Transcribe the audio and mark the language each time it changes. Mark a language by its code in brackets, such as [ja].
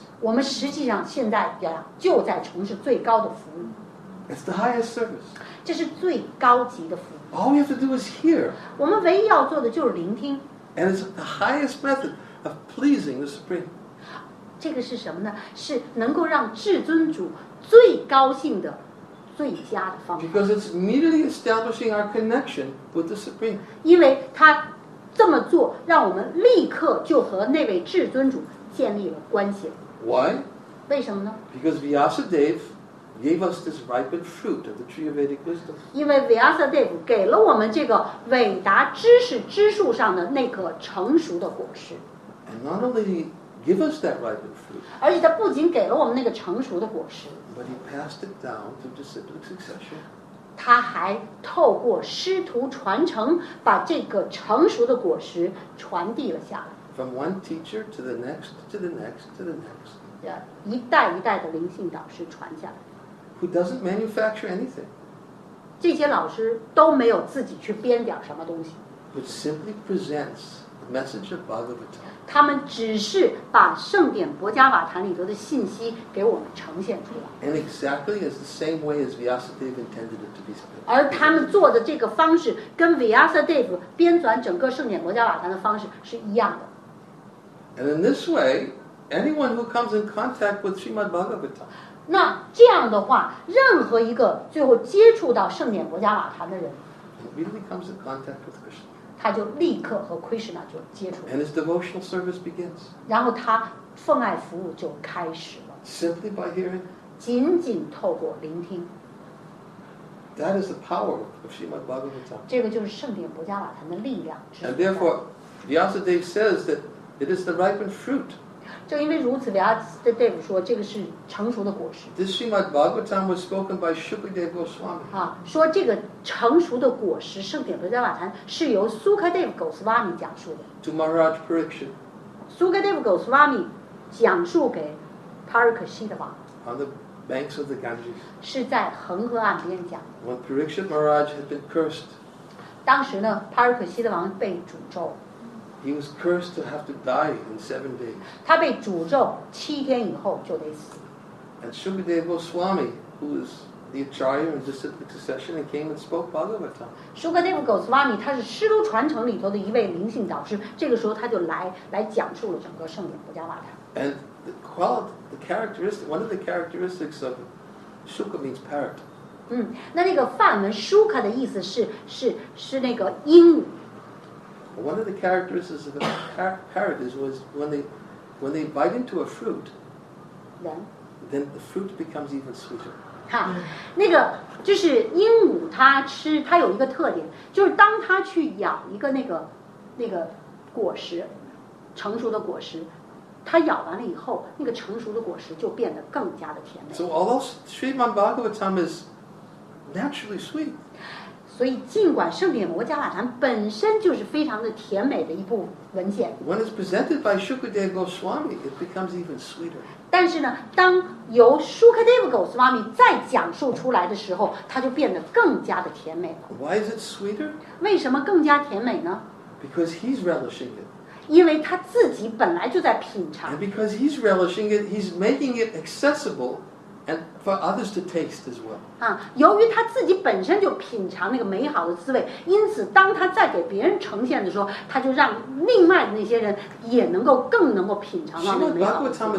[zh] 我们实际上现在就在从事最高的服务。 [en] It's the highest service. [zh] 这是最高级的服务。 [en] All we have to do is hear. [zh] 我们唯一要做的就是聆听。 [en] And it's the highest method of pleasing the Supreme. [zh] 这个是什么呢？是能够让至尊主最高兴的、最佳的方法。 [en] Because it's immediately establishing our connection with the Supreme. [zh] 因为他这么做，让我们立刻就和那位至尊主建立了关系。 [en] Why? [zh] 为什么呢? [en] Because Vyasadeva gave us this ripened fruit of the tree of Vedic wisdom. [zh] 因为 Vyasadeva 给了我们这个伟达知识之树上的那颗成熟的果实。 [en] And not only did he give us that ripened fruit, [zh] 而且他不仅给了我们那个成熟的果实, [en] but he passed it down through disciplic succession. [zh] 他还透过师徒传承把这个成熟的果实传递了下来。 [en] From one teacher to the next, to the next, to the next. [zh] Yeah, 一代一代的灵性导师传下来。 [en] Who doesn't manufacture anything? [zh] 这些老师都没有自己去编点什么东西。 [en] But simply presents the message of Bhagavatam. [zh] 他们只是把圣典博伽瓦坛里头的信息给我们呈现出来。 [en] And exactly as the same way as Vyasadeva intended it to be spoken. [zh] 而他们做的这个方式跟 Vyasadeva 编纂整个圣典博伽瓦坛的方式是一样的。 [en] And in this way, anyone who comes in contact with Srimad Bhagavatam, [zh] 那这样的话，任何一个最后接触到圣典博伽瓦坛的人 [en] immediately comes in contact with Krishna. [zh] 他就立刻和 Krishna 就接触。 [en] And his devotional service begins. [zh] 然后他奉爱服务就开始了。 [en] Simply by hearing. [zh] 仅仅透过聆听。 [en] That is the power of Srimad Bhagavatam. [zh] 这个就是圣典博伽瓦坛的力量。 [en] And therefore, Vyasadeva says that. It is the ripened fruit. [zh] 正因为如此，Vyasadeva说这个是成熟的果实。 [en] This Srimad Bhagavatam was spoken by Shukadeva Goswami. [zh] 说这个成熟的果实，圣典博伽瓦坛是由 Sukadeva Goswami 讲述的。 [en] To Maharaj Parikshit. [zh] Sukadeva Goswami 讲述给 Parikshita 王。 [en] On the banks of the Ganges. [zh] 是在恒河岸边讲。 [en] When Parikshit Maharaj had been cursed. [zh] 当时呢 ，Parikshita 王被诅咒。 [en] He was cursed to have to die in 7 days. [zh] 他被诅咒七天以后就得死。 [en] And Shukadeva Goswami, who is the acharya in disciplic succession, and came and spoke Bhagavatam. [zh] Shukadeva Goswami, 他是师徒传承里头的一位灵性导师。这个时候他就来讲述了整个圣典博伽瓦坛。 [en] And the quality, the characteristic, one of the characteristics of Shuka means parrot. [zh] 那个梵文 Shuka 的意思是那个鹦鹉。 [en] One of the characteristics of a parrot is was when they bite into a fruit, then the fruit becomes even sweeter. [zh] 那个就是鹦鹉，它吃它有一个特点，就是当它去咬一个那个果实，成熟的果实，它咬完了以后，那个成熟的果实就变得更加的甜美。 [en] So although Srimad Bhagavatam is naturally sweet. [zh] 所以尽管圣典摩迦瓦坛本身就是非常的甜美的一部文件 [en] When it's presented by Shukadeva Goswami, it becomes even sweeter. [zh] 但是呢当由 Shukadeva Goswami 再讲述出来的时候它就变得更加的甜美了 [en] Why is it sweeter? [zh] 为什么更加甜美呢 [en] Because he's relishing it. [zh] 因为他自己本来就在品尝 [en] And because he's relishing it, he's making it accessible. And for others to taste as well. [zh] 由于他自己本身就品尝那个美好的滋味，因此当他再给别人呈现的时候，他就让另外的那些人也更能够品尝到那个美好的滋味。